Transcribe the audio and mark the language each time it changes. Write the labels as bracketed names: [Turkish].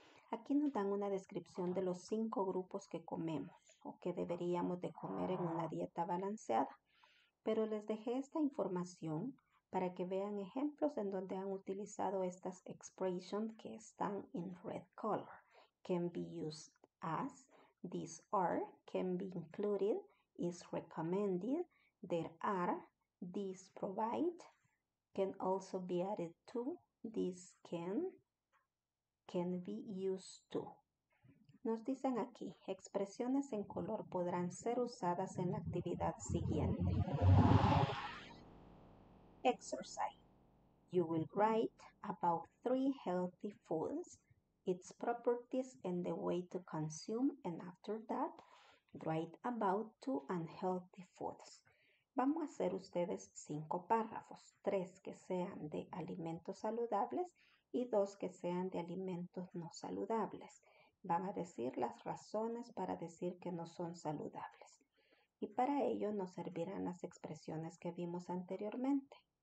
[Spanish] Aquí nos dan una descripción de los cinco grupos que comemos o que deberíamos de comer en una dieta balanceada. Pero les dejé esta información para que vean ejemplos en donde han utilizado estas expressions que están en [English] red color. Can be used as, these are, can be included, is recommended, there are, these provide, can also be added to, this can be used to. [Spanish] Nos dicen aquí, expresiones en color podrán ser usadas en la actividad siguiente. [English] Exercise. You will write about three healthy foods, its properties and the way to consume, and after that, write about two unhealthy foods. [Spanish] Vamos a hacer ustedes cinco párrafos, tres que sean de alimentos saludables y dos que sean de alimentos no saludables. Van a decir las razones para decir que no son saludables. Y para ello nos servirán las expresiones que vimos anteriormente.